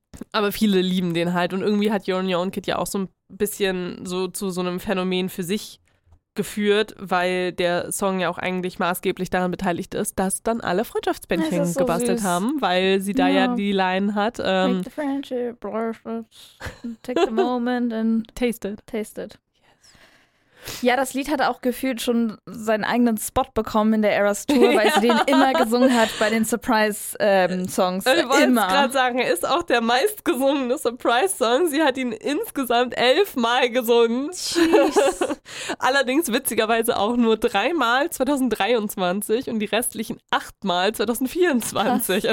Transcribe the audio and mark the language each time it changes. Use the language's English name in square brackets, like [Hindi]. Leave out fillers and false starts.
[German] Aber viele lieben den halt und irgendwie hat Yeon Yeon Kid ja auch so ein bisschen so zu so einem Phänomen für sich geführt, weil der Song ja auch eigentlich maßgeblich daran beteiligt ist, dass dann alle Freundschaftsbändchen so gebastelt süß. Haben, weil sie da ja die Line hat. [English] Make the friendship perfect, take the moment and taste it. [German] Ja, das Lied hat auch gefühlt schon seinen eigenen Spot bekommen in der Eras Tour, weil sie den immer gesungen hat bei den Surprise-Songs. Ich wollte gerade sagen, er ist auch der meistgesungene Surprise-Song. Sie hat ihn insgesamt 11 Mal gesungen. Allerdings witzigerweise auch nur 3 Mal 2023 und die restlichen 8 Mal 2024. Krass.